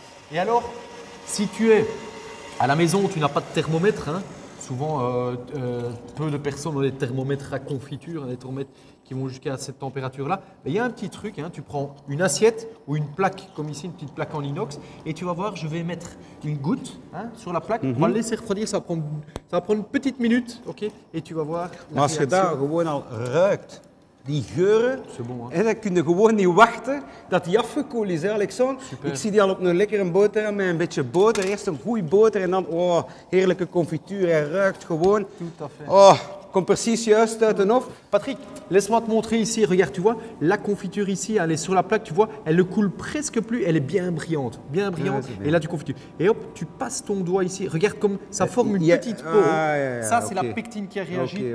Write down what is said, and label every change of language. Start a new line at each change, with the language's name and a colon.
French: Et alors, si tu es à la maison, tu n'as pas de thermomètre, hein, souvent peu de personnes ont des thermomètres à confiture, des thermomètres qui vont jusqu'à cette température-là, ben, y a un petit truc, hein, tu prends une assiette ou une plaque, comme ici, une petite plaque en inox, et tu vas voir, je vais mettre une goutte, hein, sur la plaque, mm-hmm. On va le laisser refroidir, ça va prendre une petite minute, ok, et tu vas voir.
Dutch: Maar als je daar gewoon al ruikt, die geuren,
French: c'est bon, hein.
Dutch: En dan kun je gewoon niet wachten dat die afgekoeld is, hein, Alexandre. Super. Ik zie die al op een lekkere boterham met een beetje boter, eerst een goeie boter en dan, oh, heerlijke confituur, hij ruikt gewoon.
French: Tout à fait. Oh. Comme précis, juste de neuf. Patrick, laisse-moi te montrer ici. Regarde, tu vois, la confiture ici, elle est sur la plaque, tu vois, elle ne coule presque plus. Elle est bien brillante, bien brillante. Ouais, bien. Et là, tu confitures. Et hop, tu passes ton doigt ici. Regarde comme ça forme une petite peau. Ah, ça, c'est la pectine qui a réagi.